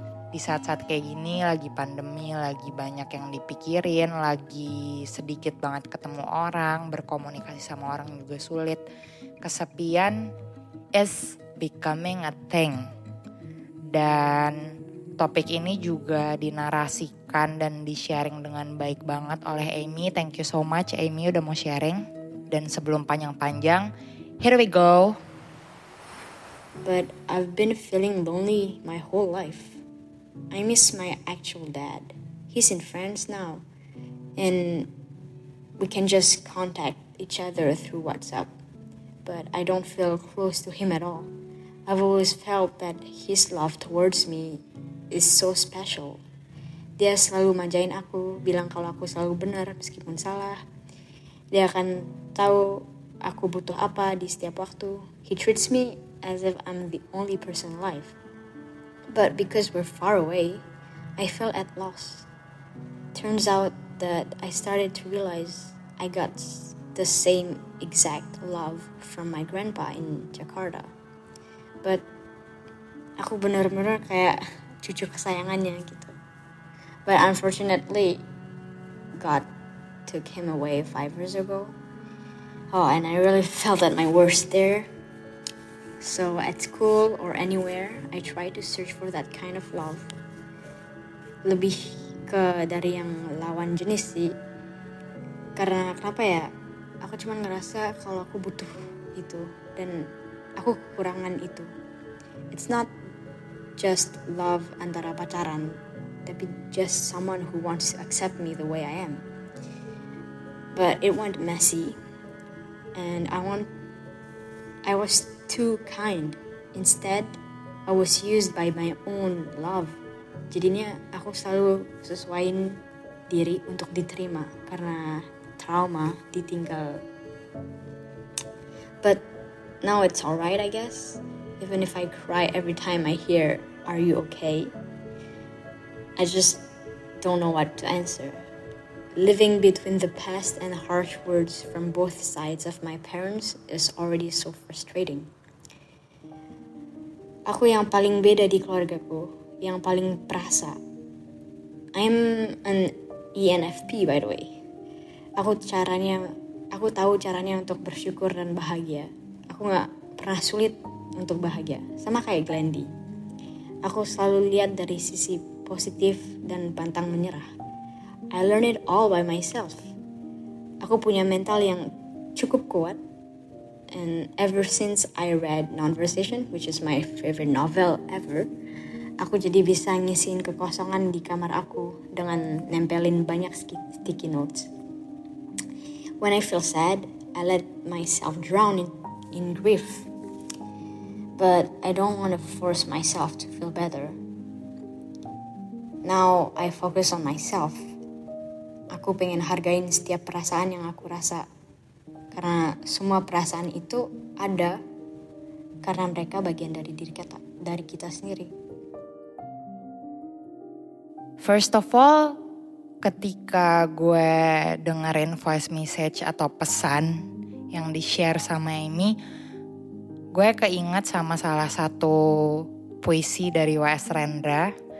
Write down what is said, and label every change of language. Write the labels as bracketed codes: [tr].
[id] Di saat-saat kayak gini, lagi pandemi, lagi banyak yang dipikirin, lagi sedikit banget ketemu orang, berkomunikasi sama orang juga sulit, kesepian [en] is becoming a thing. [id] Dan topik ini juga dinarasikan dan di-sharing dengan baik banget oleh Amy. [en] Thank you so much Amy [id] udah mau [en] sharing. [id] Dan sebelum panjang-panjang, [en] here we go. But I've been feeling lonely my whole life. I miss my actual dad. He's in France now, and we can just contact each other through WhatsApp. But I don't feel close to him at all. I've always felt that his love towards me is so special. [id] Dia selalu manjain aku, bilang kalau aku selalu benar meskipun salah. Dia akan tahu aku butuh apa di setiap waktu. [en] He treats me as if I'm the only person alive. But because we're far away, I felt at loss. Turns out that I started to realize I got the same exact love from my grandpa in Jakarta. [id] But aku benar-benar kayak cucu kesayangannya gitu. [en] But unfortunately, God took him away 5 years ago. Oh, and I really felt at my worst there. So at school or anywhere, I try to search for that kind of love. [id] Lebih ke dari yang lawan jenis sih. Karena kenapa ya? Aku cuma ngerasa kalau aku butuh itu dan aku kekurangan itu. [en] It's not just love [id] antara pacaran, tapi [en] just someone who wants to accept me the way I am. But it went messy, and I was too kind. Instead, I was used by my own love. [id] Jadinya aku selalu sesuaiin diri untuk diterima karena trauma ditinggal. [en] But now it's alright, I guess. Even if I cry every time I hear, "Are you okay?" I just don't know what to answer. Living between the past and harsh words from both sides of my parents is already so frustrating. [id] Aku yang paling beda di keluargaku, yang paling perasa. [en] I'm an ENFP, by the way. [id] Aku tahu caranya untuk bersyukur dan bahagia. Aku gak pernah sulit untuk bahagia, sama kayak Glendy. Aku selalu lihat dari sisi positif dan pantang menyerah. [en] I learned it all by myself. [id] Aku punya mental yang cukup kuat. [en] And ever since I read Nonversation, which is my favorite novel ever, [id] aku jadi bisa ngisiin kekosongan di kamar aku dengan nempelin banyak sticky notes. [en] When I feel sad, I let myself drown in grief. But I don't want to force myself to feel better. Now I focus on myself. [id] Aku pengen hargain setiap perasaan yang aku rasa. Karena semua perasaan itu ada. Karena mereka bagian dari diri kita, dari kita sendiri. [en] First of all, [id] ketika gue dengerin voice message atau pesan yang di-share sama Amy, gue keinget sama salah satu puisi dari W.S. Rendra.